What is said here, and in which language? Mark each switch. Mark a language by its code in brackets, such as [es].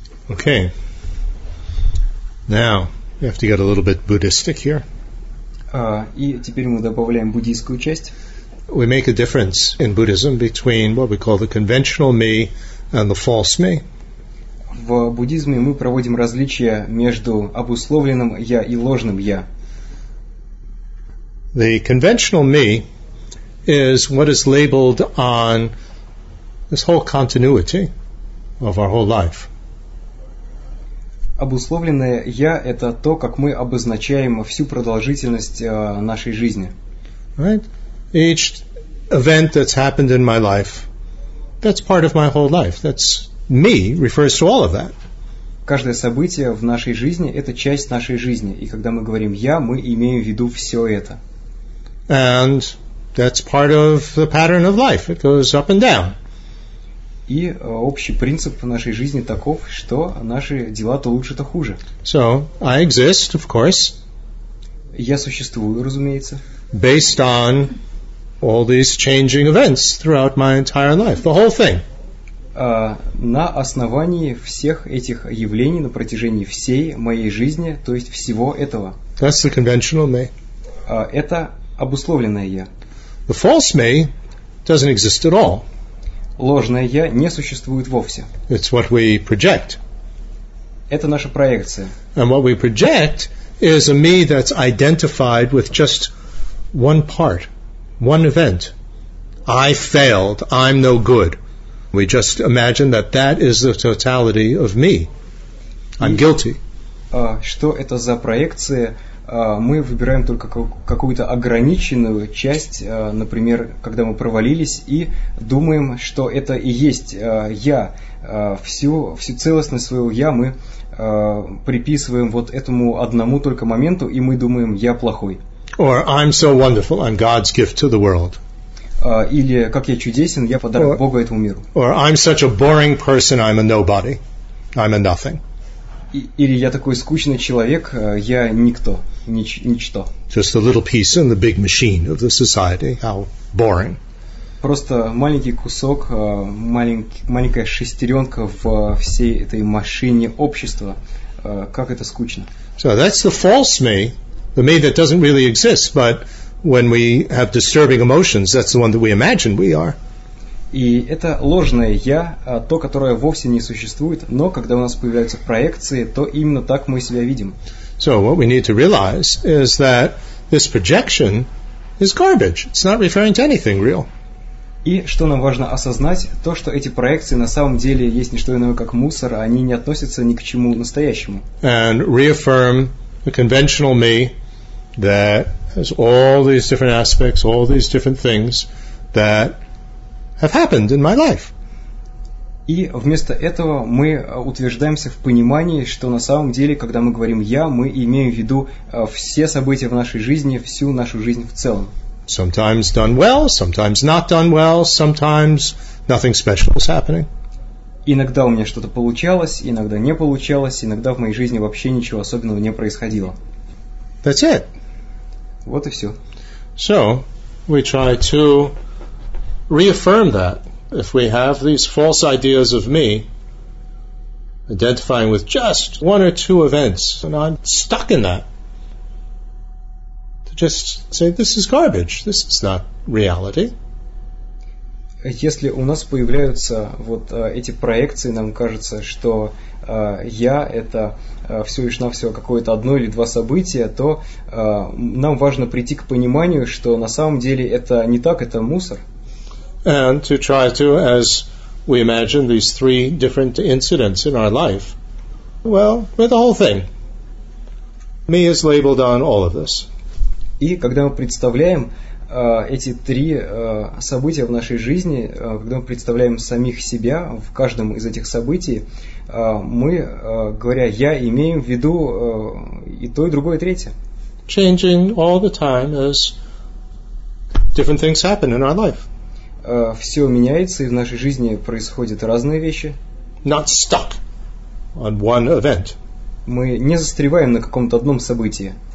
[en] Okay. Now, we have to get a little bit Buddhistic here. [ru] И теперь мы добавляем буддийскую часть. [en] We make a difference in Buddhism between what we call the conventional me and the false me. [ru] В буддизме мы проводим различия между обусловленным я и ложным я. [en] The conventional me is what is labeled on this whole continuity of our whole life. [ru] Обусловленное я – это то, как мы обозначаем всю продолжительность нашей жизни. [en] Right? Each event that's happened in my life, that's part of my whole life. That's me refers to all of that. [ru] Каждое событие в нашей жизни – это часть нашей жизни. И когда мы говорим «я», мы имеем в виду все это. [en] And that's part of the pattern of life. It goes up and down. [ru] И общий принцип нашей жизни таков, что наши дела то лучше, то хуже. [en] So, I exist, of course. [ru] Я существую, разумеется. [en] Based on all these changing events throughout my entire life, the whole thing. [ru] На основании всех этих явлений на протяжении всей моей жизни, то есть всего этого. [en] That's the conventional me. [ru] Это обусловленное я. [en] The false me doesn't exist at all. [ru] Ложное я не существует вовсе. [en] It's what we project. [ru] Это наша проекция. [en] And what we project is a me that's identified with just one part, one event. I failed. I'm no good. We just imagine that that is the totality of me. I'm guilty. [ru] Что это за проекция? Мы выбираем только какую-то ограниченную часть, например, когда мы провалились, и думаем, что это и есть я. Всю целостность своего я мы приписываем вот этому одному только моменту, и мы думаем, я плохой. [en] Or I'm so wonderful, I'm God's gift to the world. [ru] Или как я чудесен, я подарок Бога этому миру. [en] Or I'm such a boring person, I'm a nobody, I'm a nothing. [ru] Или я такой скучный человек, я никто, ничто. [en] Just a little piece in the big machine of the society. How boring. [ru] Просто маленький кусок, маленькая шестеренка в всей этой машине общества. Как это скучно. [en] So that's the false me, the me that doesn't really exist, but when we have disturbing emotions, that's the one that we imagine we are. [ru] И это ложное «я», то, которое вовсе не существует, но когда у нас появляются проекции, то именно так мы себя видим. [en] So what we need to realize is that this projection is garbage. It's not referring to anything real. [ru] И что нам важно осознать, то, что эти проекции на самом деле есть не что иное, как мусор, они не относятся ни к чему настоящему. [en] And reaffirm the conventional me that has all these different aspects, all these different things that have happened in my life. [ru] И вместо этого мы утверждаемся в понимании, что на самом деле, когда мы говорим «я», мы имеем в виду все события в нашей жизни, всю нашу жизнь в целом. [en] Sometimes done well, sometimes not done well, sometimes nothing special is happening. [ru] Иногда у меня что-то получалось, иногда не получалось, иногда в моей жизни вообще ничего особенного не происходило. [en] That's it. [ru] Вот и все. [en] So, we try to reaffirm that if we have these false ideas of me identifying with just one or two events and I'm stuck in that, to just say this is garbage, this is not reality. [ru] Если у нас появляются вот эти проекции, нам кажется, что я это всего лишь навсего какое-то одно или два события, то нам важно прийти к пониманию, что на самом деле это не так, это мусор. [en] And to try to, as we imagine, these three different incidents in our life, well, we're the whole thing. Me is labeled on all of this. [ru] И когда мы представляем эти три события в нашей жизни, когда мы представляем самих себя в каждом из этих событий, мы, говоря «я», имеем в виду и то, и другое, и третье. [en] Changing all the time as different things happen in our life. [ru] Все меняется, и в нашей жизни происходят разные вещи. [en] Not stuck on one event. [ru] Мы не застреваем на каком-то одном событии.